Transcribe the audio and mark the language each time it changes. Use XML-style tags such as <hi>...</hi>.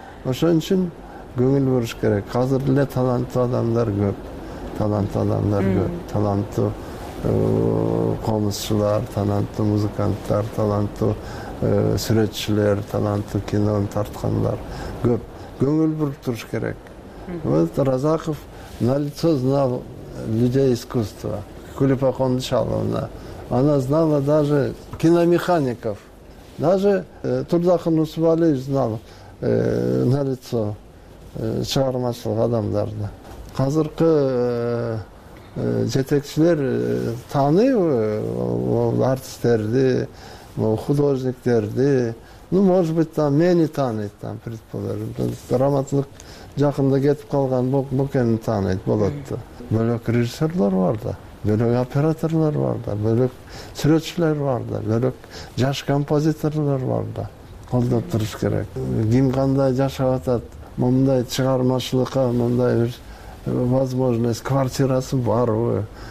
<ky>Ошон үчүн көңүл буруш керек. Азыр эле таланттуу адамдар көп. Таланттуу адамдар көп. Таланттуу комузчулар, таланттуу музыканттар, таланттуу сүрөтчүлөр, таланттуу кинону тарткандар көп. Көңүл буруп туруш керек.</ky> <ru>Вот Разаков на лицо знал людей искусства. Кулепакондо Шаловна. Она знала даже киномехаников. Даже Турзахан Усубалиев знал на лицо</ru> <ky>чыгармачылык адамдарды. Азыркы жетекчилер тааныйбы артисттерди, художниктерди?</ky> <ru>Ну, может быть, там мени тааныйт, там предположим.</ru> <ky>Драматург жакында кетип калган Бокени тааныйт болот да. Бөлөк режиссерлор бар да, бөлөк операторлор бар да, бөлөк сүрөтчүлөр бар да, бөлөк жаш композиторлор бар да. Колдоп туруш керек. Ким кандай жашап атат, мындай чыгармачылыкка мындай бир возможность, квартирасы барбы?</ky>